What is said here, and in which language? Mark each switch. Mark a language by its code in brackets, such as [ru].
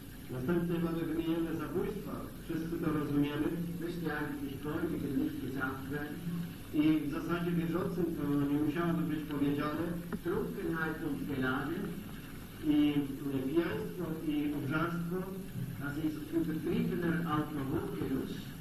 [pl] Następnie mamy wymienione zabójstwa. Wszyscy to rozumiemy. Myślę, jak jakiś człowiek, jak nikt nie zawsze. I w zasadzie wierzącym to nie musiałoby być powiedziane. [de] Trunkenheit und Gelage. [pl] I pijaństwo i obżarstwo. [de] Das ist übertriebener Alkoholgenuss.